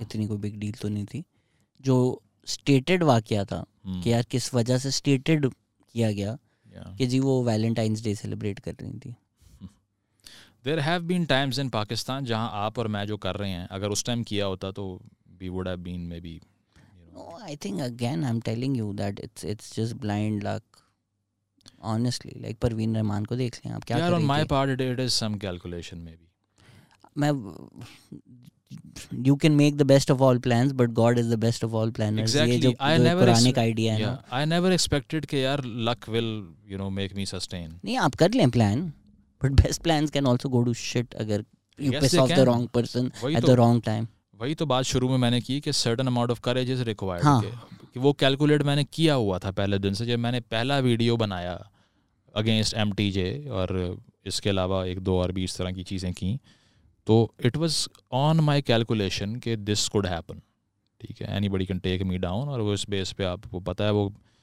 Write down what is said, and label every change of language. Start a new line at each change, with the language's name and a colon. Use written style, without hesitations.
Hindi: इतनी कोई big deal तो नहीं थी, जो स्टेटेड वाक्य था कि यार किस वजह से स्टेटेड किया गया कि जी वो वैलेंटाइंस डे सेलिब्रेट कर रही थी।
English: There have been times in Pakistan
Hindi: जहाँ आप और मैं जो कर रहे हैं, अगर उस time किया होता तो
English: we would have been maybe, you know. No, I think again I'm telling you that it's just blind luck.
Hindi: Honestly, like Parveen Rehman को देख लें आप, क्या
English: यार on my part it is some calculation maybe. मैं you can make the best of all plans but God is the best of all planners. Exactly. I never expected कि यार luck will you know make me sustain.
Hindi: नहीं आप कर लें plan.
English: But best plans can also go to shit अगर you piss off the wrong person at the wrong time.
Hindi: वही तो बात शुरू में मैंने की कि
English: certain amount of courage is required.
Hindi: हाँ। कि वो calculate मैंने किया हुआ था पहले दिन से, जब मैंने पहला वीडियो बनाया against MTJ और इसके अलावा एक दो और भी इस तरह की चीज़ें की, तो
English: it was on my calculation
Hindi: कि
English: this could happen.
Hindi: ठीक है,
English: anybody can take me down,
Hindi: और वो इस बेस पे आपको पता है वो